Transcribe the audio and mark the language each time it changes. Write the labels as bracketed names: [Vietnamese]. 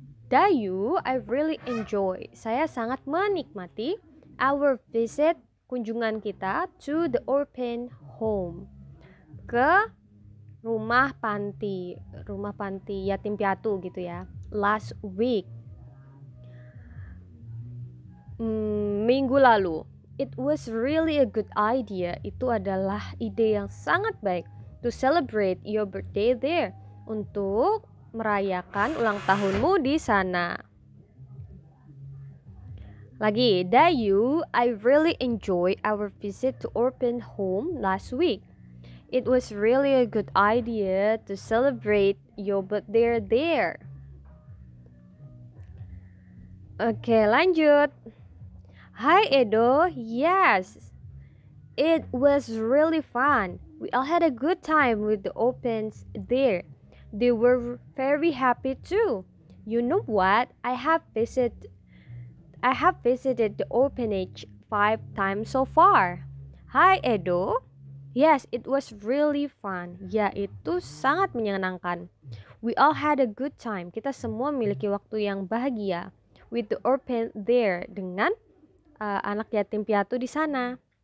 [English] Dayu, I really enjoy. [Indonesian] Saya sangat menikmati [English] our visit, [Indonesian] kunjungan kita [English] to the open home. [Indonesian] Ke rumah panti yatim piatu gitu ya. [English] Last week. [Indonesian] Minggu lalu, [English] it was really a good idea. [Indonesian] Itu adalah ide yang sangat baik [English] to celebrate your birthday there. [Indonesian] Untuk merayakan ulang tahunmu di sana. [English] Lagi, Dayu, I really enjoy our visit to open home last week. It was really a good idea to celebrate your birthday there. [Indonesian] Oke, lanjut. [English] Hi Edo, yes, it was really fun. We all had a good time with the opens there. They were very happy too. You know what? I have visited the orphanage 5 times so far. Hi Edo, yes, it was really fun. [Indonesian] Ya, itu sangat menyenangkan. [English] We all had a good time. [Indonesian] Kita semua memiliki waktu yang bahagia [English] with the orphan there [Indonesian] dengan anak yatim piatu di sana.